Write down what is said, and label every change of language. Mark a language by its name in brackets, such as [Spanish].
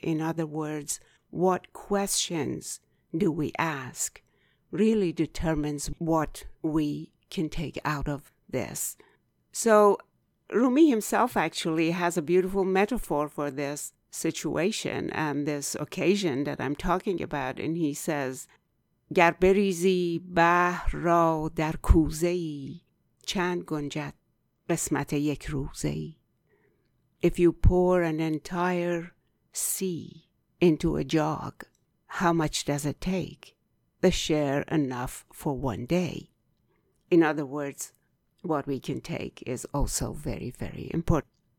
[English] In other words, what questions do we ask really determines what we can take out of this. So Rumi himself actually has a beautiful metaphor for this situation and this occasion that I'm talking about. And he says, [Persian] گر بریزی بحر را در کوزه‌ای چند گنجد قسمت یک روزه‌ای. [English] If you pour an entire sea into a jug, how much does it take? The share enough for one day. In other words, what we can take is also very, very important.